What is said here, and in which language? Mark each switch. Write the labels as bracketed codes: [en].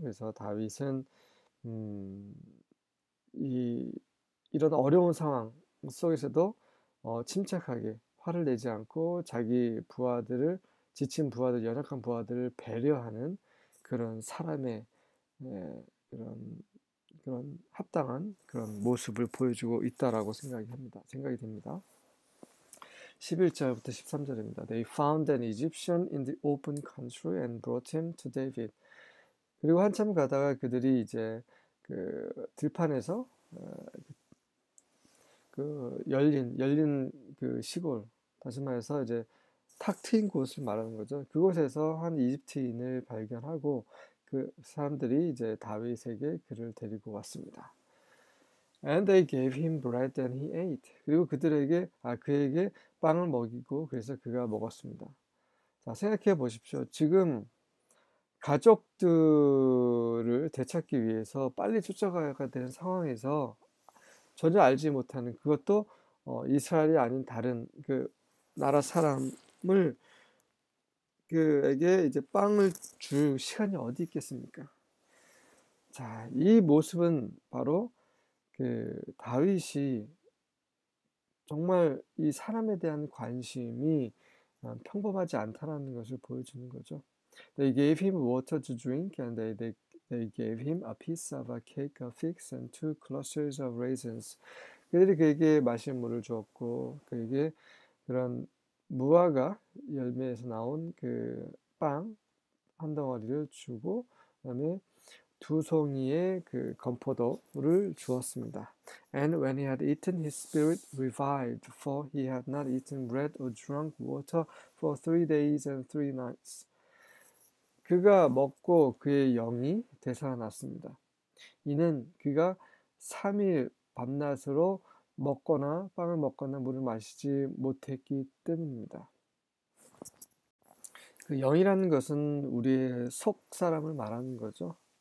[ko] 그래서 다윗은 이런 어려운 상황 속에서도 침착하게 화를 내지 않고 자기 부하들을 지친 부하들, 연약한 부하들을 배려하는 그런 사람의 그런 합당한 그런 모습을 보여주고 있다라고 생각이 합니다. 생각이 됩니다. 11절부터 13절입니다. [en] They found an Egyptian in the open country and brought him to David. [ko] 그리고 한참 가다가 그들이 이제 그 들판에서 그 열린 그 시골, 다시 말해서 이제 탁 트인 곳을 말하는 거죠. 그곳에서 한 이집트인을 발견하고 그 사람들이 이제 다윗에게 그를 데리고 왔습니다. [en] And they gave him bread and he ate. [ko] 그리고 그에게 빵을 먹이고 그래서 그가 먹었습니다. 자, 생각해 보십시오. 지금 가족들을 되찾기 위해서 빨리 쫓아가야 되는 상황에서 전혀 알지 못하는 그것도 이스라엘이 아닌 다른 그 나라 사람 그에게 이제 빵을 줄 시간이 어디 있겠습니까? 자, 이 모습은 바로 다윗이 정말 이 사람에 대한 관심이 평범하지 않다는 것을 보여주는 거죠. [en] They gave him water to drink and they gave him a piece of a cake of figs and two clusters of raisins. [ko] 그들이 그에게 마실 물을 주었고 그에게 그런 무화과 열매에서 나온 그빵한 덩어리를 주고 그다음에 두 송이의 그 건포도를 주었습니다. [en] And when he had eaten, his spirit revived, for he had not eaten bread or drunk water for 3 days and three nights. [ko] 그가 먹고 그의 영이 되살아났습니다. 이는 그가 3일 밤낮으로 먹거나 빵을 먹거나 물을 마시지 못했기 때문입니다. 그 영이라는 것은 우리의 속 사람을 말하는 거죠.